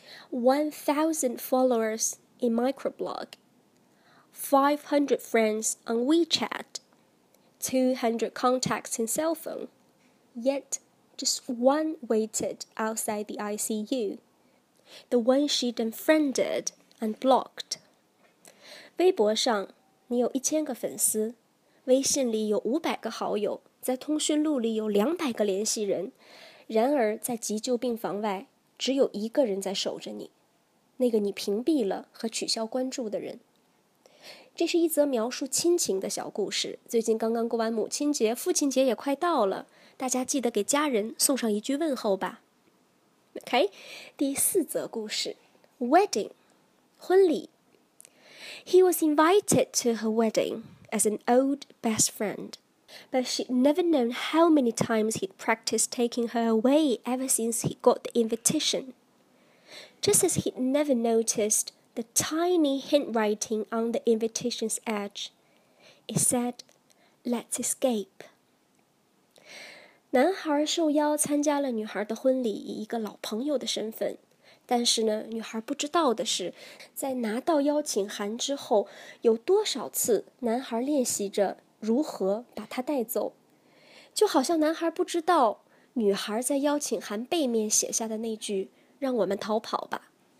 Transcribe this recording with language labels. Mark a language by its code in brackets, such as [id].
[en] 1,000 followers in microblog， 500 friends on WeChat， 200 contacts in cell phone， yet just one waited outside the ICU， the one she'd unfriended and blocked。 [zh] 微博上你有1000个粉丝，微信里有500个好友，在通讯录里有200个联系人，然而在急救病房外只有一个人在守着你，那个你屏蔽了和取消关注的人。这是一则描述亲情的小故事。最近刚刚过完母亲节，父亲节也快到了，大家记得给家人送上一句问候吧。 OK， 第四则故事， Wedding， 婚礼。 [en] He was invited to her wedding as an old best friendBut she'd never known how many times he'd practiced taking her away ever since he got the invitation. Just as he'd never noticed the tiny handwriting on the invitation's edge, it said, "Let's escape." [zh] 男孩受邀参加了女孩的婚礼，以一个老朋友的身份。但是呢，女孩不知道的是，在拿到邀请函之后，有多少次男孩练习着如何把他带走，就好像男孩不知道女孩在邀请函背面写下的那句让我们逃跑吧。